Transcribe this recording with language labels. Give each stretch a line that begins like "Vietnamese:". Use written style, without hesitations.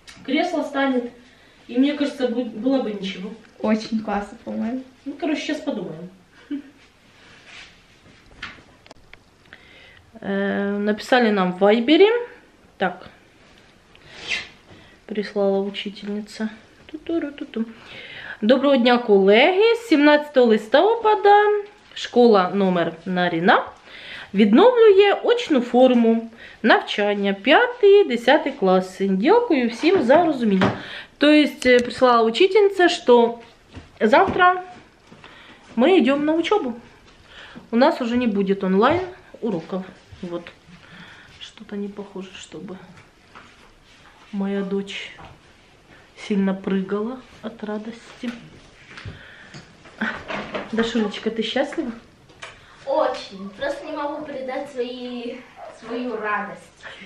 Russian: Кресло станет, и мне кажется, было бы ничего. Очень классно, по-моему. Ну, короче, сейчас подумаем. Написали нам в Вайбере. Так, прислала учительница.
Ukrainian: Доброго дня, колеги, 17 листопада. Школа номер Наріна відновлює очну форму навчання 5-10 класи. Дякую всім за розуміння. Тобто прислала учительниця, що завтра ми йдемо на учебу. У нас вже не буде онлайн уроків.
Russian: Вот. Что-то не похоже, щоб моя дочь сильно прыгала от радості.
Ukrainian: Дашулечка, ти щаслива?
Russian: Очень. Просто не могу передать свою радость.